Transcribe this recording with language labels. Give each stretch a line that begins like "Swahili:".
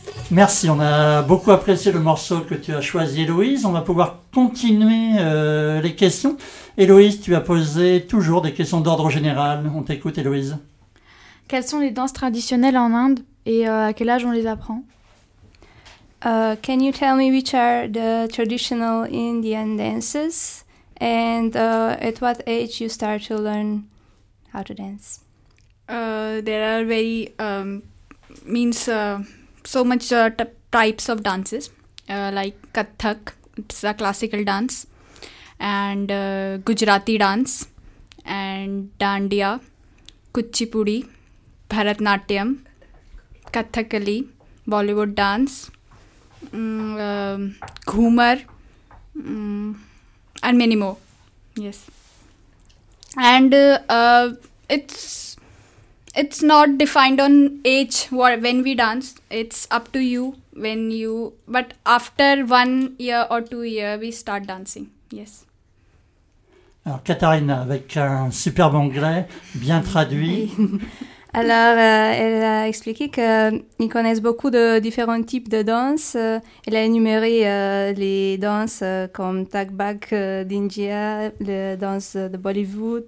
French: Merci, on a beaucoup apprécié le morceau que tu as choisi, Héloïse. On va pouvoir continuer les questions. Héloïse, tu as posé toujours des questions d'ordre général. On t'écoute, Héloïse. Quelles sont les danses traditionnelles en Inde et à quel âge on les apprend?
English: Can you tell me which are the traditional Indian dances and at what age you start to learn how to dance? There are very means so much types of dances, like Kathak, it's a classical dance, and Gujarati dance, and Dandiya, Kuchipudi, Bharatnatyam, Kathakali, Bollywood dance, Ghumar, and many more. Yes. And it's not defined on age when we dance. It's up to you when you, but after 1 year or 2 years, we start dancing. Yes.
French: Alors, Katharina, avec un superbe anglais, bien traduit. Oui. Alors, elle a expliqué qu'ils connaissent beaucoup de différents types de danses. Elle a énuméré les danses comme Tag Bak d'India, les danses de Bollywood.